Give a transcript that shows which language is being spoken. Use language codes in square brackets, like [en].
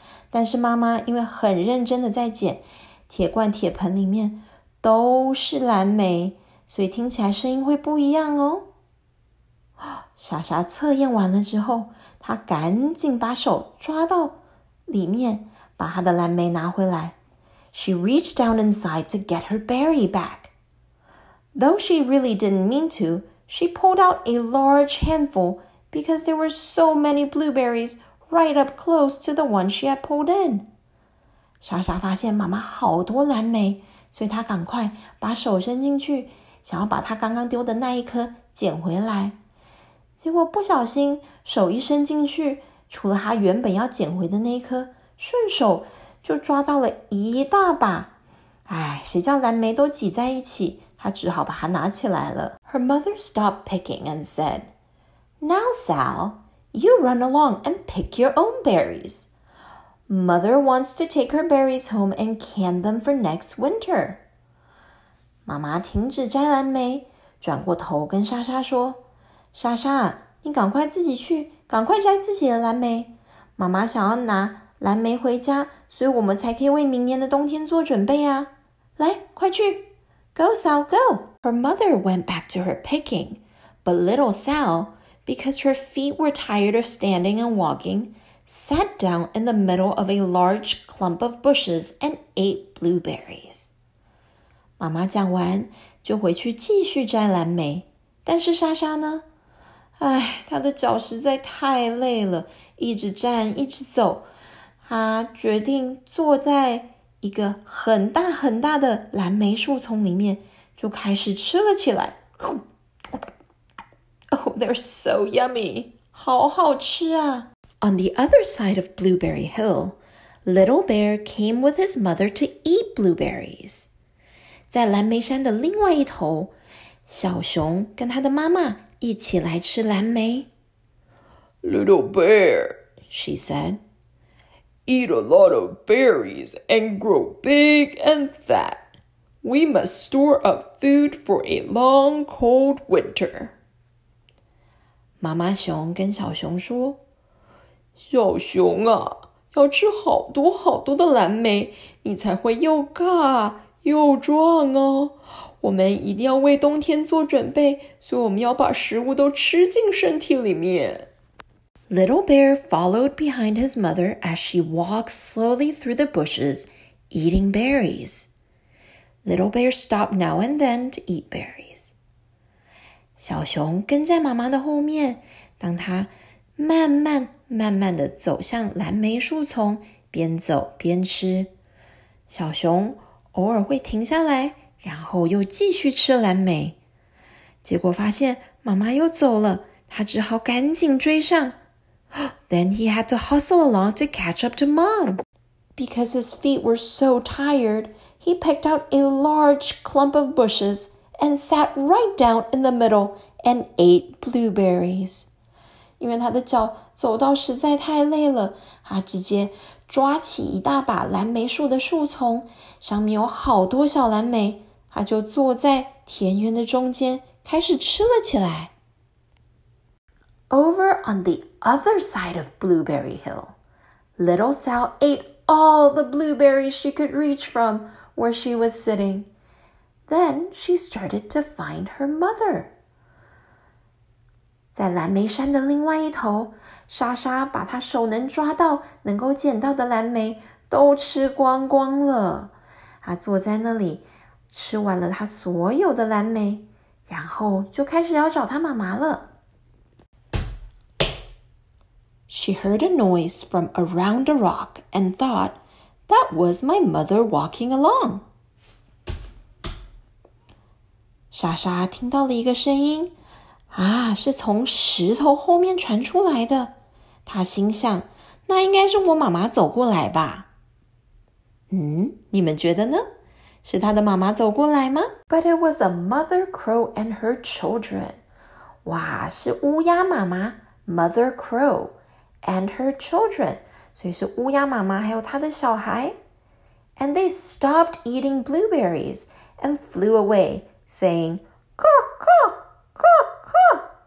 [zh] 但是妈妈因为很认真的在捡，铁罐铁盆里面都是蓝莓，所以听起来声音会不一样哦。莎莎测验完了之后，她赶紧把手抓到里面，把她的蓝莓拿回来。 [en] She reached down inside to get her berry back. Though she really didn't mean to, she pulled out a large handful because there were so many blueberries right up close to the one she had pulled in. [zh] 莎莎发现妈妈好多蓝莓，所以她赶快把手伸进去，想要把她刚刚丢的那一颗捡回来。结果不小心手一伸进去，除了他原本要捡回的那一颗，顺手就抓到了一大把。哎，谁叫蓝莓都挤在一起，他只好把它拿起来了。 [en] Her mother stopped picking and said, Now, Sal, you run along and pick your own berries. Mother wants to take her berries home and can them for next winter. [zh] 妈妈停止摘蓝莓，转过头跟莎莎说，莎莎，你赶快自己去，赶快摘自己的蓝莓。妈妈想要拿蓝莓回家，所以我们才可以为明年的冬天做准备啊。来，快去。 [en] Go, Sal, go. Her mother went back to her picking, but little Sal, because her feet were tired of standing and walking, sat down in the middle of a large clump of bushes and ate blueberries. [zh] 妈妈讲完，就回去继续摘蓝莓。但是莎莎呢？哎，她的脚实在太累了，一直站，一直走。她决定坐在一个很大很大的蓝莓树丛里面，就开始吃了起来。 [en] Oh, they're so yummy. [zh] 好好吃啊。 [en] On the other side of Blueberry Hill, Little Bear came with his mother to eat blueberries. [zh] 在蓝莓山的另外一头，小熊跟他的妈妈一起来吃蓝莓。 [en] Little Bear, she said. Eat a lot of berries and grow big and fat. We must store up food for a long cold winter. [zh] 妈妈熊跟小熊说，小熊啊，要吃好多好多的蓝莓，你才会又高又壮哦。我们一定要为冬天做准备，所以我们要把食物都吃进身体里面。 [en] Little Bear followed behind his mother as she walked slowly through the bushes, eating berries. Little Bear stopped now and then to eat berries. [zh] 小熊跟在妈妈的后面，当他慢慢慢慢地走向蓝莓树丛，边走边吃。小熊偶尔会停下来，然后又继续吃蓝莓。结果发现妈妈又走了，他只好赶紧追上。 [en] Then he had to hustle along to catch up to Mom. Because his feet were so tired, he picked out a large clump of bushes and sat right down in the middle and ate blueberries. [zh] 因为他的脚走到实在太累了，他直接抓起一大把蓝莓树的树丛，上面有好多小蓝莓，他就坐在田园的中间，开始吃了起来。 [en] Over on the other side of Blueberry Hill, Little Sal ate all the blueberries she could reach from where she was sitting. Then she started to find her mother. [zh] 在蓝莓山的另外一头，莎莎把她手能抓到、能够捡到的蓝莓都吃光光了。她坐在那里，吃完了她所有的蓝莓，然后就开始要找她妈妈了。 [en] She heard a noise from around a rock and thought, that was my mother walking along. [zh] 莎莎听到了一个声音，啊，是从石头后面传出来的。她心想，那应该是我妈妈走过来吧。嗯，你们觉得呢？是她的妈妈走过来吗？ [en] But it was a mother crow and her children. [zh] 哇，是乌鸦妈妈， [en] mother crow. And her children, [zh] 所以是乌鸦妈妈还有她的小孩。 [en] And they stopped eating blueberries and flew away, saying, caw, caw, caw, caw.